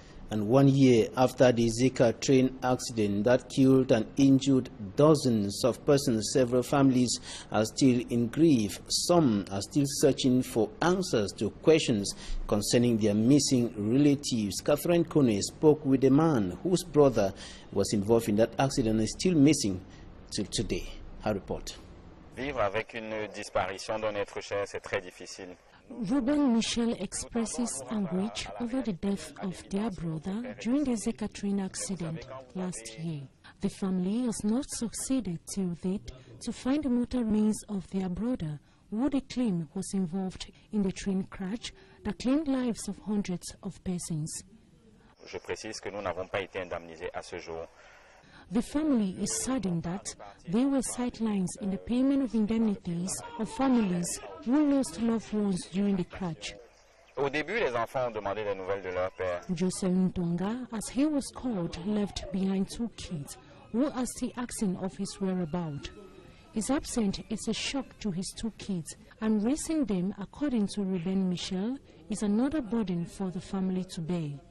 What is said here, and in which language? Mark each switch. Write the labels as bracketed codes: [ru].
[en] And 1 year after the Zika train accident that killed and injured dozens of persons, several families are still in grief. Some are still searching for answers to questions concerning their missing relatives. Catherine Kone spoke with a man whose brother was involved in that accident and is still missing till today. Her report. [fr] Vivre avec une disparition d'un être cher, c'est très difficile. [en] Ruben Michel expresses anguish over the death of their brother during the Zika train accident last year. The family has not succeeded till date to find the mortal remains of their brother, who they claim was involved in the train crash that claimed lives of hundreds of persons. [fr] Je précise que nous n'avons pas été indemnisés à ce jour. [en] The family is saddened that there were sidelines in the payment of indemnities of families who lost loved ones during the crash. [fr] Au début, les enfants ont demandé des nouvelles de leur père. [en] Joseph Ntonga, as he was called, left behind two kids who asked the asking of his whereabouts. His absence is a shock to his two kids, and raising them, according to Ruben Michel, is another burden for the family to bear.